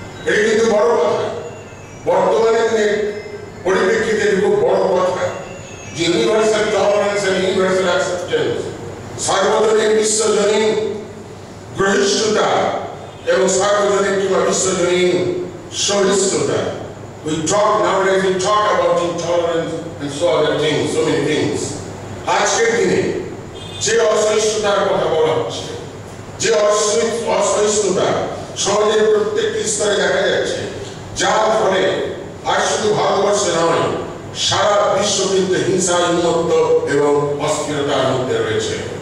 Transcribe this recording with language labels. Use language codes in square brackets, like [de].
[bn] এই কিন্তু বড় কথা, বর্তমানে যে পরিপ্রেক্ষিতে খুব বড় কথা যে universal tolerance and universal acceptance, সার্বজনীন বিশ্বজনীন গ্রহিষ্ঠতা এবং সার্বজনীন কিংবা বিশ্বজনীন সহিষ্ণুতা। [en] We talk nowadays, we talk about intolerance and so other things, so many things. [bn] আজকের দিনে যে অসহিষ্ণুতার কথা বলা হচ্ছে, যে অসহিষ্ণুতা সমাজের প্রত্যেকটি স্তরে দেখা যাচ্ছে, যার ফলে আর শুধু ভারতবর্ষে নয় সারা বিশ্ব কিন্তু হিংসা, উন্মত্ত এবং অস্থিরতার মধ্যে রয়েছে।